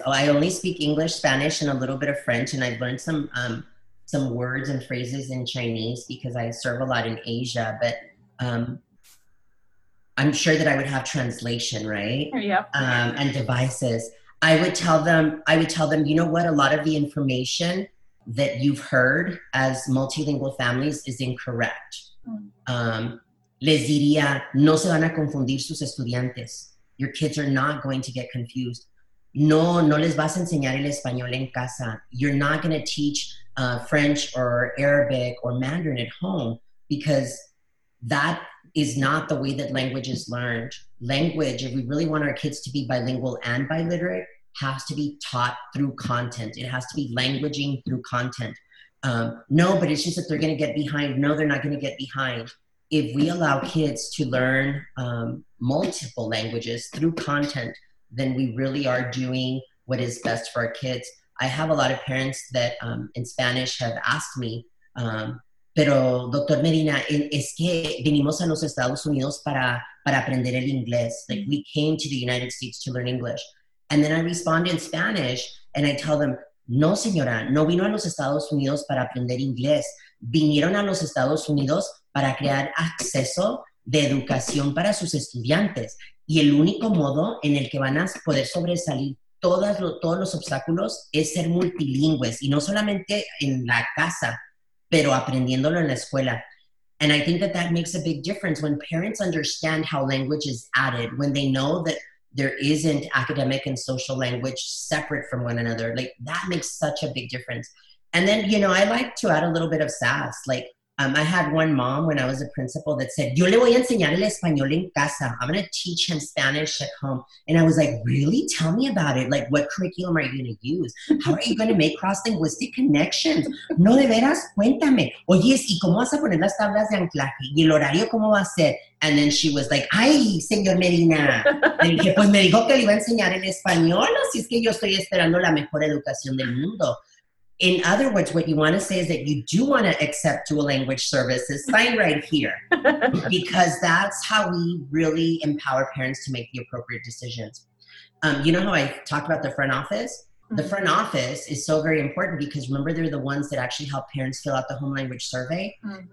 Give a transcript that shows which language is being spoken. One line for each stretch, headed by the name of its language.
English: Oh, I only speak English, Spanish, and a little bit of French, and I've learned some words and phrases in Chinese because I serve a lot in Asia, but I'm sure that I would have translation, right? Yep. And devices. I would tell them, you know what, a lot of the information that you've heard as multilingual families is incorrect.
Spanish: Les diría, no se van a confundir sus estudiantes.
English: Your kids are not going to get confused.
Spanish: No les vas a enseñar el español en casa.
English: You're not going to teach French or Arabic or Mandarin at home, because that is not the way that language is learned. language, if we really want our kids to be bilingual and biliterate, has to be taught through content. It has to be languaging through content. No, but it's just that they're going to get behind. No, they're not going to get behind. If we allow kids to learn multiple languages through content, then we really are doing what is best for our kids. I have a lot of parents that in Spanish have asked me, pero, Dr.
Spanish: Medina, es que vinimos a los Estados Unidos para aprender el inglés.
English: Like, we came to the United States to learn English. And then I respond in Spanish, and I tell them,
Spanish: no, señora, no vino a los Estados Unidos para aprender inglés. Vinieron a los Estados Unidos para crear acceso de educación para sus estudiantes. Y el único modo en el que van a poder sobresalir todos los obstáculos es ser multilingües, y no solamente en la casa, pero aprendiéndolo en la escuela.
English: And I think that that makes a big difference when parents understand how language is added, when they know that there isn't academic and social language separate from one another. Like, that makes such a big difference. And then, you know, I like to add a little bit of sass. Like, I had one mom when I was a principal that said,
Spanish: yo le voy a enseñar el español en casa.
English: I'm going to teach him Spanish at home. And I was like, really? Tell me about it. Like, what curriculum are you going to use? How are you going to make cross-linguistic connections?
Spanish: No, de veras, cuéntame. Oye, ¿y cómo vas a poner las tablas de anclaje? ¿Y el horario cómo va a ser?
English: And then she was like,
Spanish: ay, señor
English: Medina.
Spanish: Y dije, pues me dijo que le iba a enseñar el español. Así es que yo estoy esperando la mejor educación del mundo.
English: In other words, what you want to say is that you do want to accept dual language services, sign right here, because that's how we really empower parents to make the appropriate decisions. You know how I talk about the front office? Mm-hmm. The front office is so very important because remember, they're the ones that actually help parents fill out the home language survey. Mm-hmm.